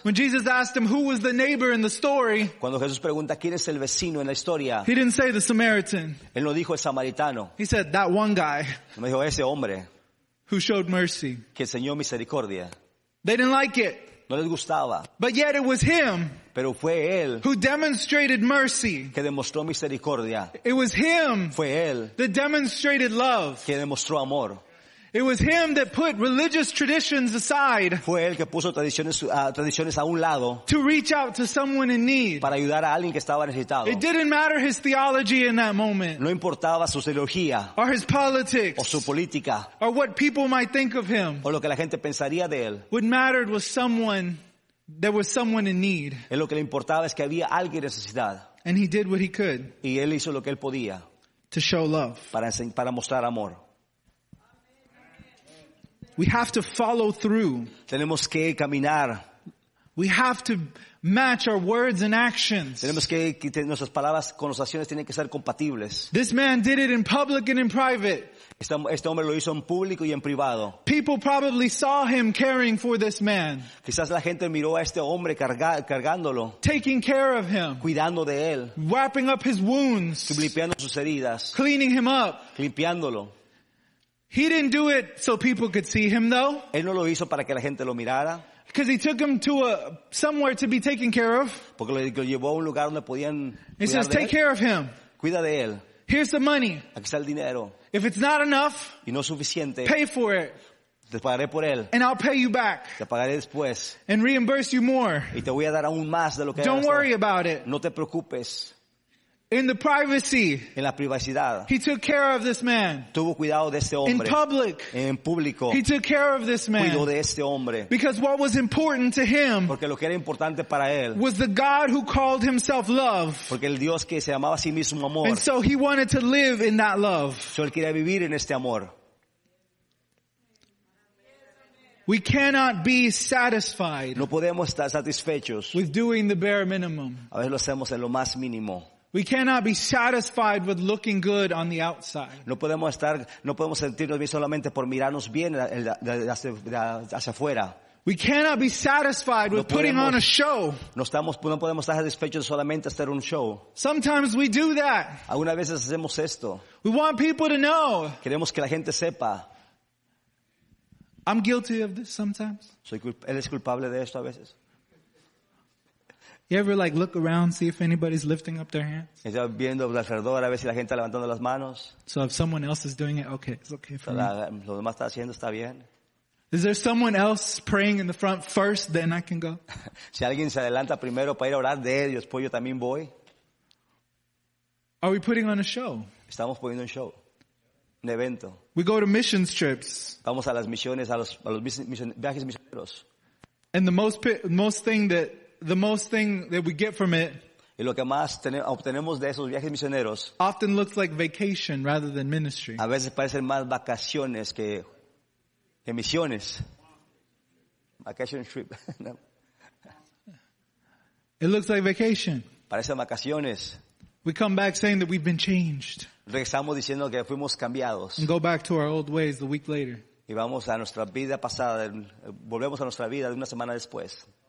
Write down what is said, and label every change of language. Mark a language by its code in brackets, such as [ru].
[en] When Jesus asked them who was the neighbor in the story, [es] cuando Jesús pregunta quién es el vecino en la historia, [en] he didn't say the Samaritan. [es] Él no dijo el samaritano. [en] He said that one guy. [es] Me dijo ese hombre. [en] Who showed mercy. [es] Que enseñó misericordia. [en] They didn't like it. [es] No les gustaba. [en] But yet it was him. [es] Pero fue él [en] who demonstrated mercy. [es] Que demostró misericordia. [en] It was him. [es] Fue él [en] that demonstrated love. [es] Que demostró amor. [en] It was him that put religious traditions aside. [es] Fue él que puso tradiciones a un lado. [en] To reach out to someone in need. [es] Para ayudar a alguien que estaba necesitado. [en] It didn't matter his theology in that moment. [es] No importaba su teología. [en] Or his politics. [es] O su política. [en] Or what people might think of him. [es] O lo que la gente pensaría de él. [en] What mattered was someone. There was someone in need. [es] Él lo que le importaba es que había alguien en necesidad. [en] And he did what he could. [es] Y él hizo lo que él podía. [en] To show love. [es] Para mostrar amor. [en] We have to follow through. [es] Tenemos que caminar. [en] We have to match our words and actions. [es] Tenemos que nuestras palabras con nuestras acciones tienen que ser compatibles. [en] This man did it in public and in private. [es] Este hombre lo hizo en público y en privado. [en] People probably saw him caring for this man. [es] Quizás la gente miró a este hombre cargándolo. [en] Taking care of him. [es] Cuidando de él. [en] Wrapping up his wounds. [es] Limpiando sus heridas. [en] Cleaning him up. [es] Limpiándolo. [en] He didn't do it so people could see him, though. [es] Él no lo hizo para que la gente lo mirara. [en] Because he took him to somewhere to be taken care of. [es] Porque lo llevó a un lugar donde podían cuidar de él. [en] He says, "Take care of him. [es] Cuida de él. [en] Here's the money. [es] Aquí está el dinero. [en] If it's not enough, [es] y no suficiente, [en] pay for it. [es] Te pagaré por él. [en] And I'll pay you back. [es] Te pagaré después. [en] And reimburse you more. [es] Y te voy a dar aún más de lo que [en] don't hasta worry about it. [es] No te preocupes. [en] In the privacy, [es] en la privacidad, [en] he took care of this man. [es] Tuvo cuidado de este hombre. [en] In public, [es] en público, [en] he took care of this man. [es] Cuidó de este hombre. [en] Because what was important to him, [es] porque lo que era importante para él, [en] was the God who called himself love. [es] Porque el Dios que se llamaba a sí mismo amor. [en] And so he wanted to live in that love. [es] Él quería vivir en este amor. [en] We cannot be satisfied. [es] No podemos estar satisfechos. [en] With doing the bare minimum. [es] A veces lo hacemos en lo más mínimo. [en] We cannot be satisfied with looking good on the outside. [es] No podemos sentirnos bien solamente por mirarnos bien hacia afuera. [en] We cannot be satisfied with putting on a show. [es] No podemos estar satisfechos solamente hacer un show. [en] Sometimes we do that. [es] Algunas veces hacemos esto. [en] We want people to know. [es] Queremos que la gente sepa. [en] I'm guilty of this sometimes. [es] Eres culpable de esto a veces. [en] You ever like look around, see if anybody's lifting up their hands? [es] Estás viendo alrededor a ver si la gente está levantando las manos. [en] So if someone else is doing it, okay, it's okay for me. [es] Lo demás está haciendo está bien. [en] Is there someone else praying in the front first, then I can go? [es] Si alguien se adelanta primero para ir a orar de ellos, después yo también voy. [en] Are we putting on a show? [es] Estamos poniendo un show, un evento. [en] We go to missions trips. [es] Vamos a las misiones, a los viajes misioneros. [en] And the most thing that we get from it, [es] y lo que más obtenemos de esos viajes misioneros, [en] often looks like vacation rather than ministry. [es] A veces parecen más vacaciones que misiones. [en] Vacation trip. [es] No. [en] It looks like vacation. [es] Parecen vacaciones. [en] We come back saying that we've been changed. [es] Regresamos diciendo que fuimos cambiados. [en] And go back to our old ways the week later. [es] Y vamos a nuestra vida pasada, volvemos a nuestra vida de una semana después.